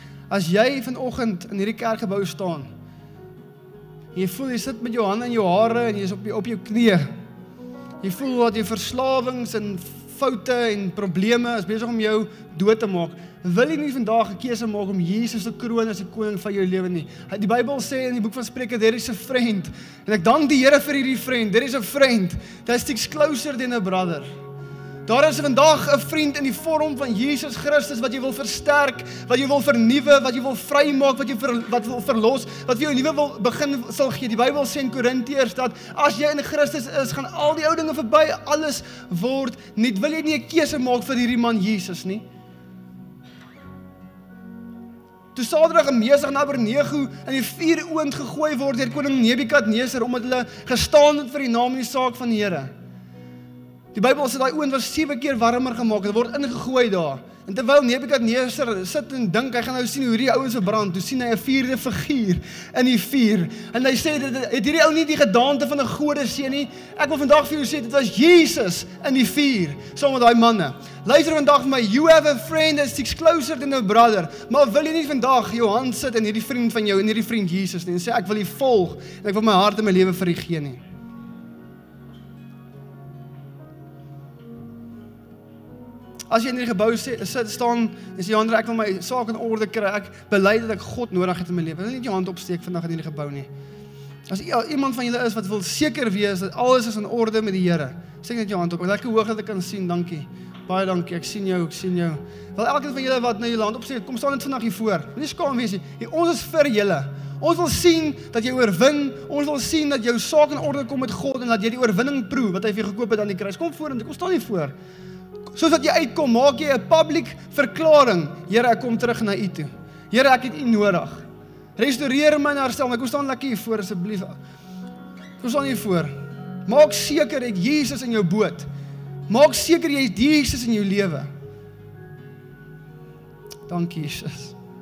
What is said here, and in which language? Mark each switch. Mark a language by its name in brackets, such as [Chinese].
[Afrikaans] As jy vanoggend in hierdie kerkgebou staan, jy voel jy sit met jou hande in jou hare en jy is op jou knie. Jy voel wat jy verslawings en foute en probleme is besig om jou dood te maak. Wil jy nie vandag 'n keuse maak om Jesus te kroon as die koning van jou lewe nie? Die Bybel sê in die boek van Spreuke, [English] there is a friend. [Afrikaans] En ek dank die Here vir hierdie friend. [English] There is a friend that sticks closer than a brother. [Afrikaans] Daar is vandag 'n vriend in die vorm van Jesus Christus wat jy wil versterk, wat jy wil vernuwe, wat jy wil vrymaak, wat jy wil verlos, wat vir jou nuwe wil begin sal gee. Die Bybel sê in Korintiërs dat as jy in Christus is, gaan al die ou dinge verby, alles word nuut. Wil jy nie 'n keuse maak vir hierdie man Jesus nie? Toe Sadrag en Mesag en Abednego in die vuur oond gegooi word deur koning Nebukadneser omdat hulle gestaan het vir die naam en die saak van die Here. Die Bybel sê daai oond was 7 keer warmer gemaak, hulle word ingegooi daar. En terwyl Nebukadneser sit en dink, hy gaan nou sien hoe hierdie ouens verbrand, toe sien hy 'n vierde figuur in die vuur. En hy sê, het hierdie ou nie die gedaante van 'n gode sien nie? Ek wil vandag vir jou sê, dit was Jesus in die vuur, saam met daai manne. Luister vandag vir my, [English] you have a friend that sticks closer than a brother. [Afrikaans] Maar wil jy nie vandag jou hand sit in hierdie vriend van jou, in hierdie vriend Jesus nie, en sê, ek wil jy volg, en ek wil my hart en my lewe vir jy gee nie. As jy in die gebou sit staan, en sê, Jandre, ek wil my saak in orde kry, ek bely dat ek God nodig het in my lewe. Wil nie jou hand opsteek vandag in die gebou nie. As iemand van julle is wat wil seker wees, dat alles is in orde met die Here, steek net jou hand op. Ek lekker hoog dat ek kan sien, dankie. Baie dankie, ek sien jou. Wel, elkeen van julle wat nou jou hand opsteek, kom staan net vandag hier voor. Wil nie skaam wees nie, ons is vir julle. Ons wil sien dat jy oorwin, ons wil sien dat jou saak in orde kom met God, en dat jy die oorwinning proe, wat hy vir jou gekoop het aan die kruis. Kom voor, en kom staan hier voor. Soos wat jy uitkom, maak jy 'n publiek verklaring. Here, ek kom terug na U toe. Here, ek het U nodig. Restoreer my en herstel my. Kom staan lekker hier voor asseblief. Kom staan hier voor. Maak seker jy het Jesus in jou boot. Maak seker jy het Jesus in jou lewe. Dankie Jesus.